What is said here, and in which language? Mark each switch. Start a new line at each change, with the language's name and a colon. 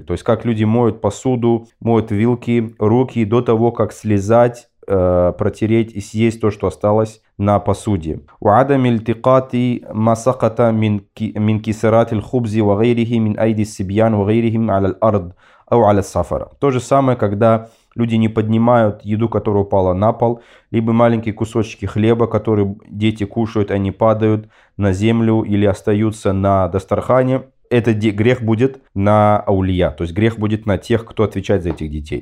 Russian: То есть как люди моют посуду, моют вилки, руки до того, как слезать, протереть и съесть то, что осталось на посуде.
Arabic: وعدم التقاط ما سقط من كسرات الخبز وغيره من أيدي السبيان وغيرهم على الأرض أو على السفر.
Russian: То же самое, когда люди не поднимают еду, которая упала на пол, либо маленькие кусочки хлеба, которые дети кушают, они падают на землю или остаются на дастархане. Это грех будет на аулия, то есть грех будет на тех, кто отвечает за этих детей.